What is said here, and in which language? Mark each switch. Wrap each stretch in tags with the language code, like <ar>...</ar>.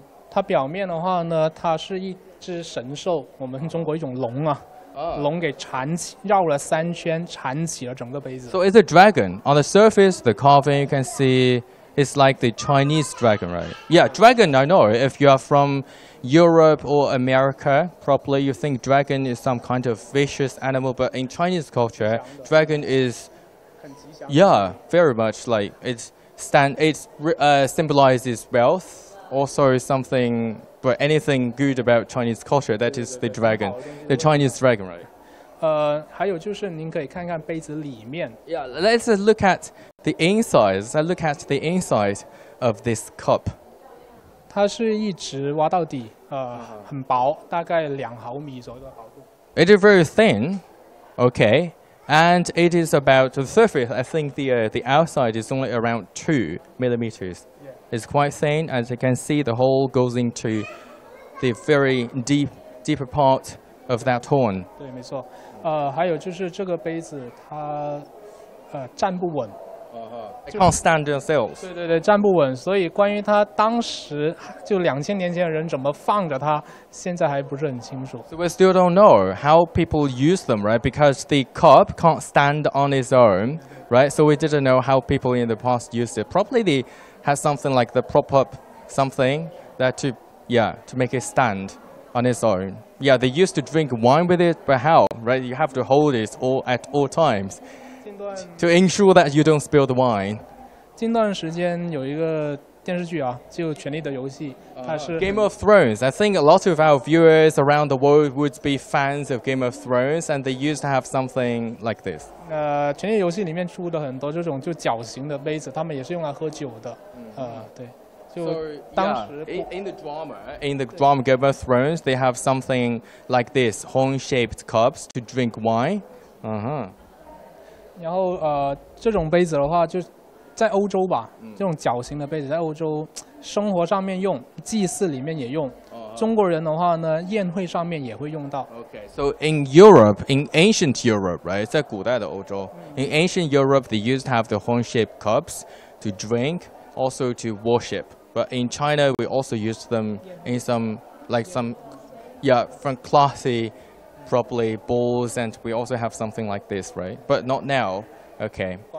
<zh>它表面的话呢，它是一只神兽，我们中国一种龙啊。龙给缠起，绕了三圈，缠起了整个杯子。</zh> <en>So it's a dragon. On the surface, the carving you can see is like the Chinese dragon, right? Yeah, dragon. I know. If you are from Europe or America, probably you think dragon is some kind of vicious animal. But in Chinese culture, dragon is, yeah, very much like it symbolizes wealth. Also, something. But anything good about Chinese culture, that is the dragon, the Chinese dragon, right?</en> <zh>还有就是您可以看看杯子里面。</zh> <en>Yeah, let's look at the inside. Let's look at the inside of this cup.</en> <zh>它是一直挖到底，很薄，大概两毫米左右的厚度。</zh> <en>It is very thin, okay, and it is about the surface. I think the outside is only around 2 millimeters. It's quite thin, as you can see, the hole goes into the very deeper part of that horn.</en> <zh>对，没错。还有就是这个杯子它，站不稳。</zh> <en>It can't stand itself.</en> <zh>对对对，站不稳。所以关于它当时就2000年前的人怎么放着它，现在还不是很清楚。</zh> <en>So we still don't know how people use them, right? Because the cup can't stand on its own, right? So we didn't know how people in the past used it. Probably the has something like the prop up something that to make it stand on its own. Yeah, they used to drink wine with it, but how, right? You have to hold it at all times to ensure that you don't spill the wine.</en> <zh>近段时间有一个电视剧啊，就《权力的游戏》，它是</zh> <en>Game of Thrones. I think a lot of our viewers around the world would be fans of Game of Thrones, and they used to have something like this.</en> <zh>《权力游戏》里面出的很多这种就绞刑的杯子，他们也是用来喝酒的。对，就当时</zh> <en>in the drama Game of Thrones, they have something like this horn-shaped cups to drink wine.</en> <zh>然后这种杯子的话就。在欧洲吧，这种绞刑的杯子在欧洲生活上面用，祭祀里面也用。中国人的话呢，宴会上面也会用到。</zh> <en>Okay, so in Europe, in ancient Europe, right?</en> <zh>在古代的欧洲</zh> <en>，in ancient Europe, they used to have the horn-shaped cups to drink, also to worship. But in China, we also used them in some classy, probably balls, and we also have something like this, right? But not now. Okay.</en>